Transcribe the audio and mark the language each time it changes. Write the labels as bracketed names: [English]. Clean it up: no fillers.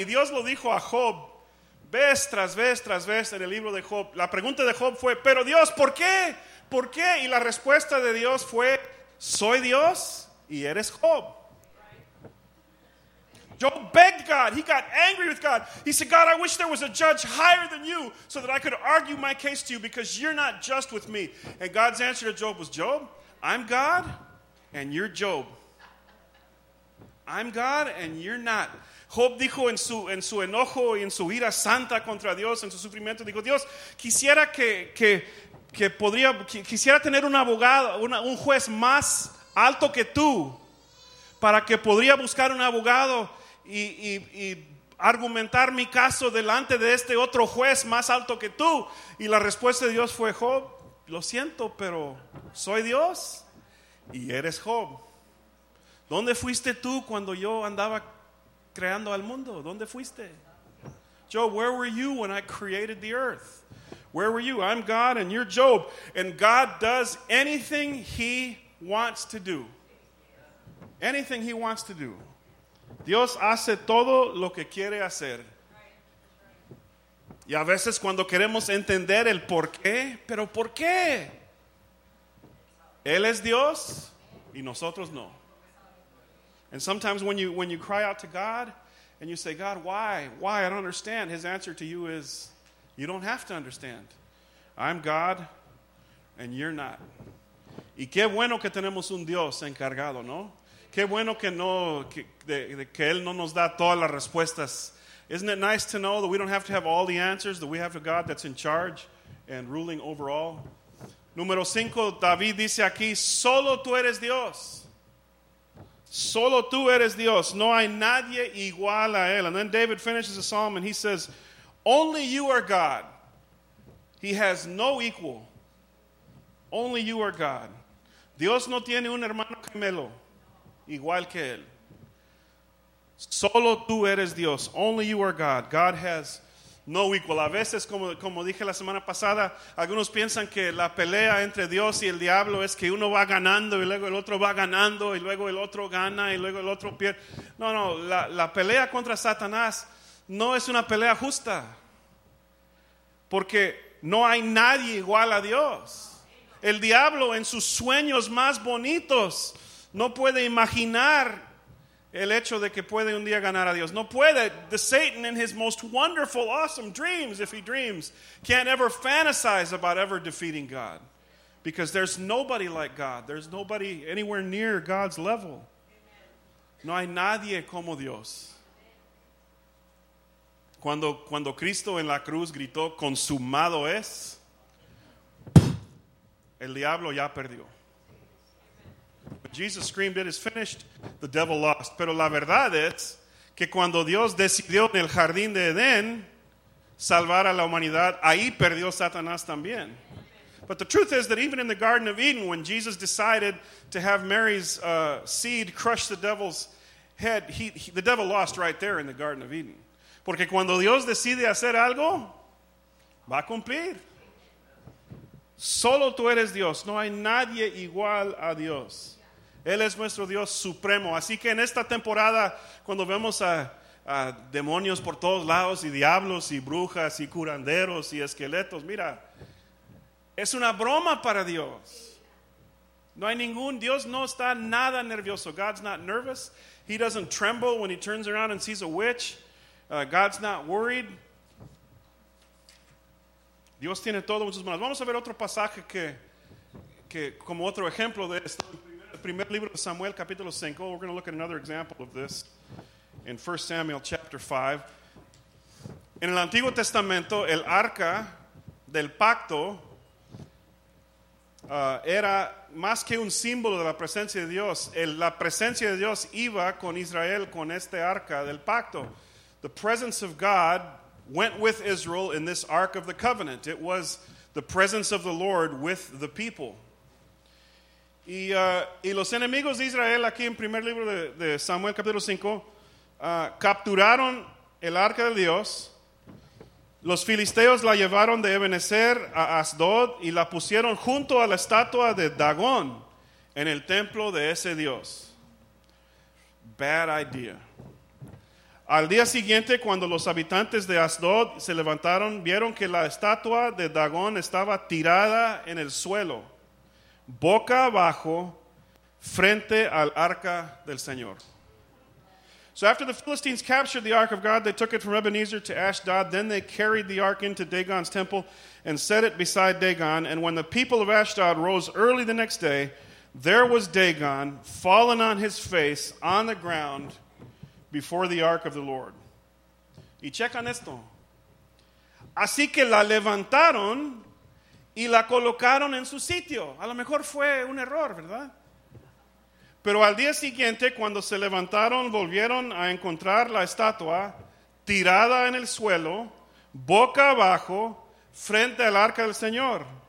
[Spanish] Y Dios lo dijo a Job vez tras vez tras vez en el libro de Job. La pregunta de Job fue, pero Dios, ¿por qué? ¿Por qué? Y la respuesta de Dios fue, soy Dios y eres Job. [English] Job begged God. He got angry with God. He said, God, I wish there was a judge higher than you so that I could argue my case to you because you're not just with me. And God's answer to Job was, Job, I'm God and you're Job. I'm God and you're not. [Spanish] Job dijo en su enojo y en su ira santa contra Dios, en su sufrimiento, dijo, Dios, quisiera que podría, quisiera tener un abogado, un juez más alto que tú para que podría buscar un abogado y argumentar mi caso delante de este otro juez más alto que tú. Y la respuesta de Dios fue, Job, lo siento, pero soy Dios y eres Job. ¿Dónde fuiste tú cuando yo andaba creando al mundo? ¿Dónde fuiste? [English] Job, where were you when I created the earth? Where were you? I'm God and you're Job. And God does anything he wants to do. Anything he wants to do. [Spanish] Dios hace todo lo que quiere hacer. Y a veces cuando queremos entender el por qué, pero ¿por qué? Él es Dios y nosotros no. [English] And sometimes when you cry out to God and you say, God, why? Why? I don't understand. His answer to you is, you don't have to understand. I'm God and you're not. [Spanish] Y qué bueno que tenemos un Dios encargado, ¿no? Qué bueno que no que Él no nos da todas las respuestas. [English] Isn't it nice to know that we don't have to have all the answers, that we have a God that's in charge and ruling over all? [Spanish] Número cinco, David dice aquí, solo tú eres Dios. Solo tú eres Dios. No hay nadie igual a Él. [English] And then David finishes the psalm and he says, only you are God. He has no equal. Only you are God. [Spanish] Dios no tiene un hermano gemelo igual que Él. Solo tú eres Dios. [English] Only you are God. God has no equal. [Spanish] A veces, como dije la semana pasada, algunos piensan que la pelea entre Dios y el diablo es que uno va ganando y luego el otro va ganando y luego el otro gana y luego el otro pierde. No, no, la pelea contra Satanás no es una pelea justa, porque no hay nadie igual a Dios. El diablo en sus sueños más bonitos no puede imaginar el hecho de que puede un día ganar a Dios. No puede. [English] The Satan in his most wonderful, awesome dreams, if he dreams, can't ever fantasize about ever defeating God. Because there's nobody like God. There's nobody anywhere near God's level. [Spanish] No hay nadie como Dios. Cuando Cristo en la cruz gritó, consumado es, el diablo ya perdió. [English] Jesus screamed, it is finished. The devil lost. [Spanish] Pero la verdad es que cuando Dios decidió en el jardín de Edén salvar a la humanidad, ahí perdió Satanás también. [English] But the truth is that even in the Garden of Eden, when Jesus decided to have Mary's seed crush the devil's head, the devil lost right there in the Garden of Eden. [Spanish] Porque cuando Dios decide hacer algo, va a cumplir. Solo tú eres Dios. No hay nadie igual a Dios. Él es nuestro Dios supremo. Así que en esta temporada, cuando vemos a demonios por todos lados, y diablos, y brujas, y curanderos, y esqueletos, mira, es una broma para Dios. No hay ningún, Dios no está nada nervioso. [English] God's not nervous. He doesn't tremble when he turns around and sees a witch. God's not worried. [Spanish] Dios tiene todo en sus manos. Vamos a ver otro pasaje que como otro ejemplo de esto. El primer libro de Samuel, capítulo 5. [English] We're going to look at another example of this in 1 Samuel, chapter 5. [Spanish] En el Antiguo Testamento, el arca del pacto era más que un símbolo de la presencia de Dios. La presencia de Dios iba con Israel con este arca del pacto. [English] The presence of God went with Israel in this Ark of the Covenant. It was the presence of the Lord with the people. [Spanish] Y los enemigos de Israel, aquí en primer libro de Samuel, capítulo 5, capturaron el arca de Dios. Los filisteos la llevaron de Ebenezer a Asdod y la pusieron junto a la estatua de Dagón en el templo de ese Dios. [English] Bad idea. [Spanish] Al día siguiente, cuando los habitantes de Asdod se levantaron, vieron que la estatua de Dagón estaba tirada en el suelo, boca abajo, frente al arca del Señor. [English] So after the Philistines captured the Ark of God, they took it from Ebenezer to Ashdod. Then they carried the Ark into Dagon's temple and set it beside Dagon. And when the people of Ashdod rose early the next day, there was Dagon fallen on his face on the ground before the Ark of the Lord. [Spanish] Y checan esto. Así que la levantaron y la colocaron en su sitio. A lo mejor fue un error, ¿verdad? Pero al día siguiente, cuando se levantaron, volvieron a encontrar la estatua tirada en el suelo, boca abajo, frente al arca del Señor.